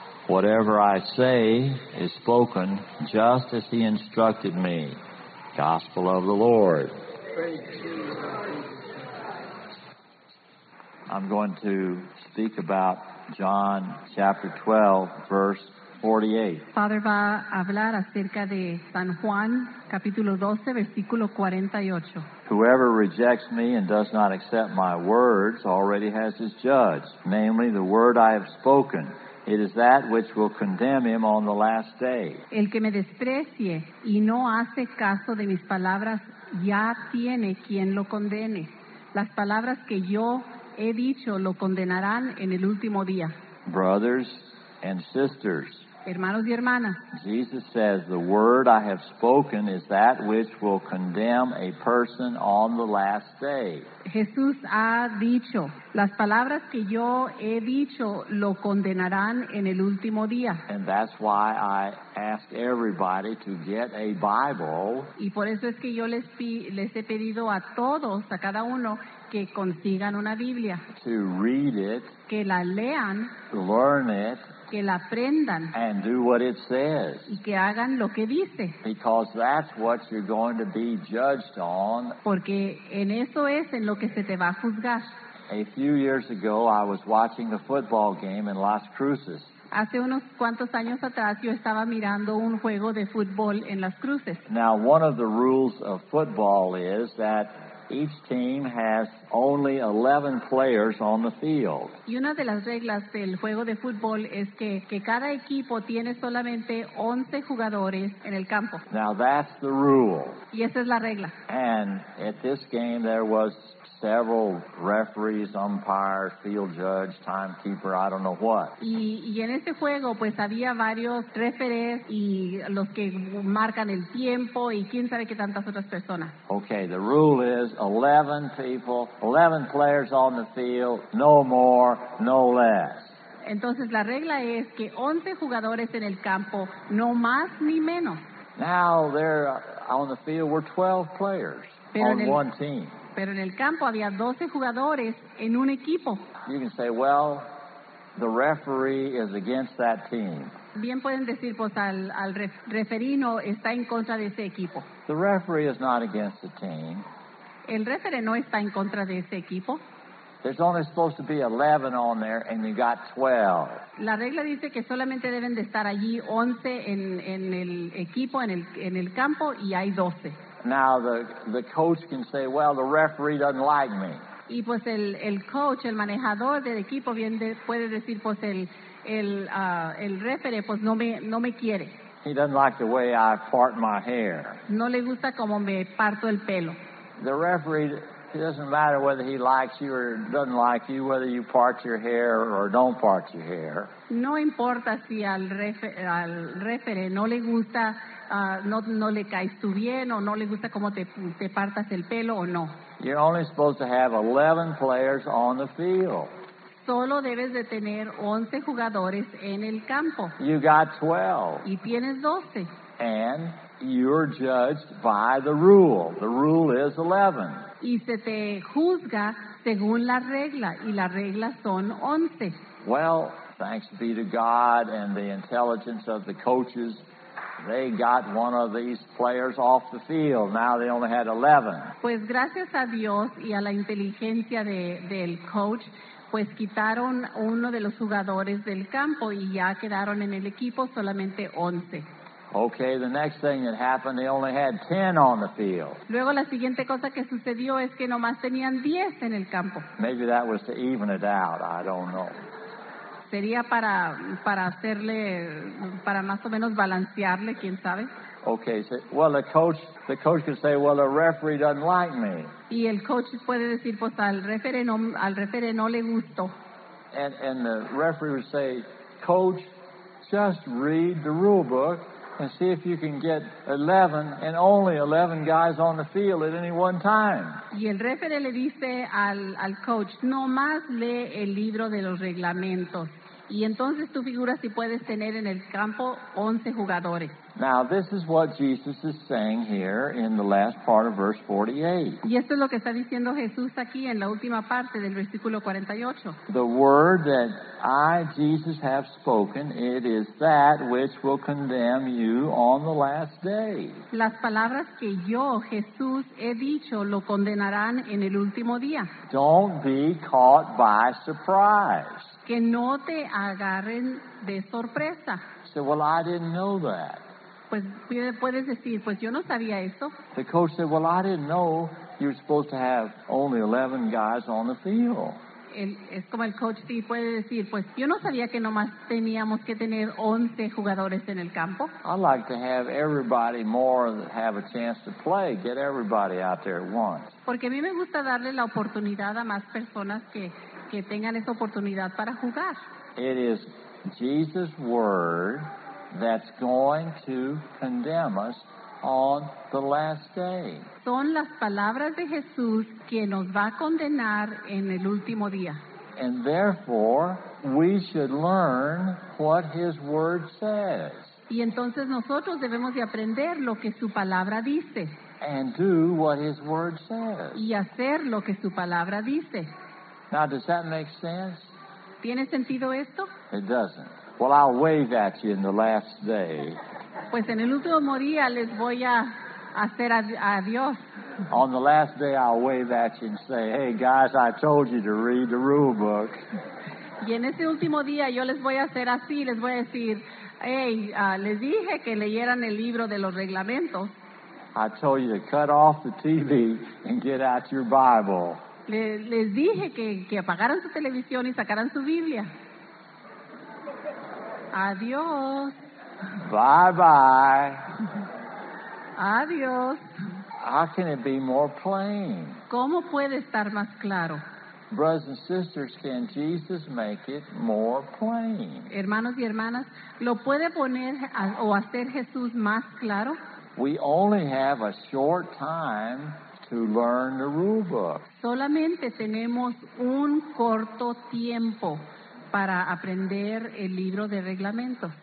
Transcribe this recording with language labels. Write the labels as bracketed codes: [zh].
[en] Whatever I say is spoken just as he instructed me. Gospel of the Lord. I'm going to speak about John chapter 12, verse 48. [es] Father va a hablar acerca de San Juan, capítulo 12, versículo 48. [en] Whoever rejects me and does not accept my words already has his judge, namely the word I have spoken. It is that which will condemn him on the last day. [es] El que me desprecie y no hace caso de mis palabras ya tiene quien lo condene. Las palabras que yo he dicho lo condenarán en el último día. [en] Brothers and sisters, [es] hermanos y hermanas, [en] Jesus says, the word I have spoken is that which will condemn a person on the last day. [es] Jesús ha dicho, las palabras que yo he dicho lo condenarán en el último día. [en] And that's why I ask everybody to get a Bible. [es] Y por eso es que yo les he pedido a todos, a cada uno, que consigan una Biblia. [en] To read it. [es] Que la lean. [en] Learn it. [es] que la aprendan, [en] and do what it says, [es] y que hagan lo que dice, [en] because that's what you're going to be judged on. [es] Porque en eso es en lo que se te va a juzgar. [en] A few years ago, I was watching a football game in Las Cruces. [es] Hace unos cuantos años atrás, yo estaba mirando un juego de fútbol en Las Cruces. [en] Now, one of the rules of football is that each team has only 11 players on the field. [es] Y una de las reglas del juego de fútbol es que cada equipo tiene solamente 11 jugadores en el campo. [en] Now, that's the rule. [es] Y esa es la regla. [en] And at this game, there was several referees, umpires, field judge, timekeeper, I don't know what. [es] Y en este juego, pues había varios referees y los que marcan el tiempo y quién sabe qué tantas otras personas. [en] Okay, the rule is 11 people, 11 players on the field, no more, no less. [es] Entonces la regla es que 11 jugadores en el campo, no más ni menos. [en] Now there on the field were 12 players on one team. [es] Pero en el campo había 12 jugadores en un equipo. [en] You can say, well, the referee is against that team. [es] Bien pueden decir, pues, al referino está en contra de ese equipo. [en] The referee is not against the team. [es] El referee no está en contra de ese equipo. [en] There's only supposed to be 11 on there, and you got 12. [es] La regla dice que solamente deben de estar allí 11 en el equipo, en el campo, y hay 12. [en] Now the coach can say, well, the referee doesn't like me. [es] Y pues el coach, el manejador del equipo puede decir, pues el referee, pues no me quiere. [en] He doesn't like the way I part my hair. [es] No le gusta como me parto el pelo. [en] The referee, it doesn't matter whether he likes you or doesn't like you, whether you part your hair or don't part your hair. [es] No importa si al referee no le gusta, no le caes tú bien o no le gusta cómo te partas el pelo o no. [en] You're only supposed to have 11 players on the field. [es] Solo debes de tener 11 jugadores en el campo. [en] You got 12. [es] Y tienes 12. [en] And you're judged by the rule. The rule is 11. [es] Y se te juzga según la regla, y la regla son 11. [en] Well, thanks be to God and the intelligence of the coaches, they got one of these players off the field. Now they only had 11. [es] Pues gracias a Dios y a la inteligencia del coach, pues quitaron uno de los jugadores del campo y ya quedaron en el equipo solamente 11. [en] Okay, the next thing that happened, they only had 10 on the field. [es] Luego la siguiente cosa que sucedió es que nomás tenían 10 en el campo. [en] Maybe that was to even it out, I don't know. [es] Sería para hacerle, para más o menos balancearle, quién sabe. [en] Okay, so, well, the coach could say, well, the referee doesn't like me. [es] Y el coach puede decir, pues al referee no le gustó. [en] And the referee would say, coach, just read the rule book and see if you can get 11 and only 11 guys on the field at any one time. [es] Y el referee le dice al coach, no más lee el libro de los reglamentos. Y entonces tú figuras si puedes tener en el campo 11 jugadores. [en] Now this is what Jesus is saying here in the last part of verse 48. [es] Y esto es lo que está diciendo Jesús aquí en la última parte del versículo 48. [en] The word that I, Jesus, have spoken, it is that which will condemn you on the last day. [es] Las palabras que yo, Jesús, he dicho lo condenarán en el último día. [en] Don't be caught by surprise. [es] Que no te agarren de sorpresa. [en] So, well, I didn't know that. [es] Pues puedes decir, pues yo no sabía eso. [en] The coach said, well, I didn't know you were supposed to have only 11 guys on the field. [es] Es como el coach sí puede decir, pues yo no sabía que nomás teníamos que tener 11 jugadores en el campo. [en] I'd like to have everybody more have a chance to play, get everybody out there at once. [es] Porque a mí me gusta darle la oportunidad a más personas que tengan esa oportunidad para jugar. [en] It is Jesus' word that's going to condemn us on the last day. [es] Son las palabras de Jesús que nos va a condenar en el último día. [en] And therefore, we should learn what His word says. [es] Y entonces nosotros debemos de aprender lo que su palabra dice. [en] And do what His word says. [es] Y hacer lo que su palabra dice. [en] Now, does that make sense? [es] ¿Tiene sentido esto? [en] It doesn't. Well, I'll wave at you in the last day. [es] Pues en el último día les voy a hacer adiós. [en] On the last day, I'll wave at you and say, hey, guys, I told you to read the rule book. [es] Y en ese último día, yo les voy a hacer así, les voy a decir, hey, les dije que leyeran el libro de los reglamentos. [en] I told you to cut off the TV and get out your Bible. [es] Les dije que apagaran su televisión y sacaran su Biblia. Adiós. [en] Bye-bye. [es] Adiós. [en] How can it be more plain? [es] ¿Cómo puede estar más claro? [en] Brothers and sisters, can Jesus make it more plain? [es] Hermanos y hermanas, ¿lo puede poner o hacer Jesús más claro? [en] We only have a short time to learn the rule book. [es] Solamente tenemos un corto tiempo para aprender el libro de reglamentos.